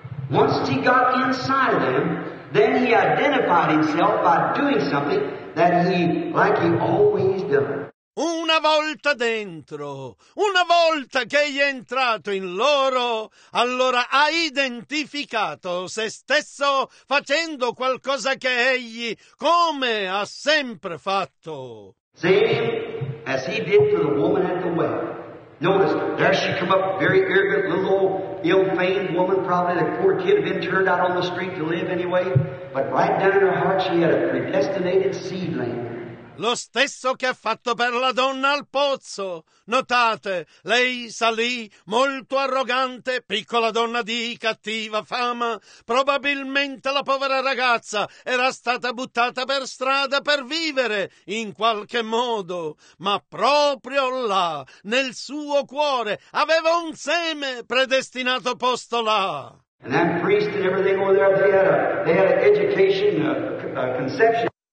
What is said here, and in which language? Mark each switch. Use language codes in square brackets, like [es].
[en] Once he got inside them, then he identified himself by doing something that he, like he always does. [it] Una volta dentro, una volta che egli è entrato in loro, allora ha identificato se stesso facendo qualcosa che egli, come ha sempre fatto. [en] Same as he did to the woman at the well. Notice, there she come up, very arrogant, little old, ill-famed woman, probably the poor kid had been turned out on the street to live anyway, but right down in her heart she had a predestinated seedling. [it] Lo stesso che ha fatto per la donna al pozzo. Notate, lei salì molto arrogante, piccola donna di cattiva fama. Probabilmente la povera ragazza era stata buttata per strada per vivere in qualche modo. Ma proprio là, nel suo cuore, aveva un seme predestinato posto là. [en] And that priest and everything over there, they had an education, a conception.